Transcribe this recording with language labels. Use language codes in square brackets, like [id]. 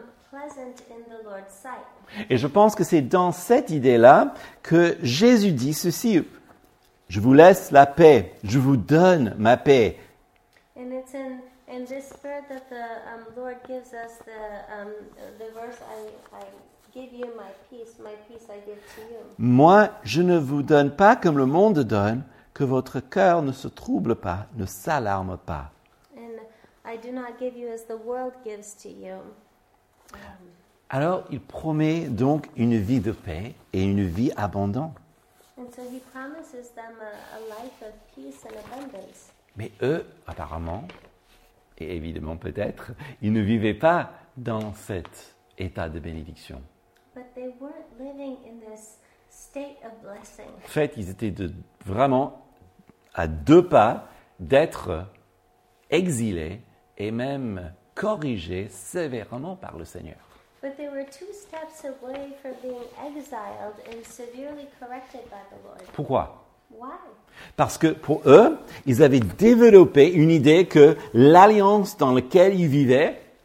[en] Pleasant in the Lord's sight. [fr] Et je pense que c'est dans cette idée-là que Jésus dit ceci, je vous laisse la paix, je vous donne ma paix. [en] And it's in this spirit that the Lord gives us the verse, I give you my peace I give to you. [fr] Moi, je ne vous donne pas comme le monde donne, que votre cœur ne se trouble pas, ne s'alarme pas. [en] And I do not give you as the world gives to you. [fr] Alors, il promet donc une vie de paix et une vie abondante. [en] And so he promises them a life of peace and abundance. [fr] Mais eux, apparemment, et évidemment peut-être, ils ne vivaient pas dans cet état de bénédiction. [en] But they weren't living in this state of blessing. [fr] En fait, ils étaient vraiment à deux pas d'être exilés et même corrigé sévèrement par le Seigneur. [en] But they were two steps away from being exiled and severely corrected by the Lord. [fr] Pourquoi? [en] Why? [fr] Parce que pour eux, ils avaient développé une idée que l'alliance dans laquelle ils vivaient,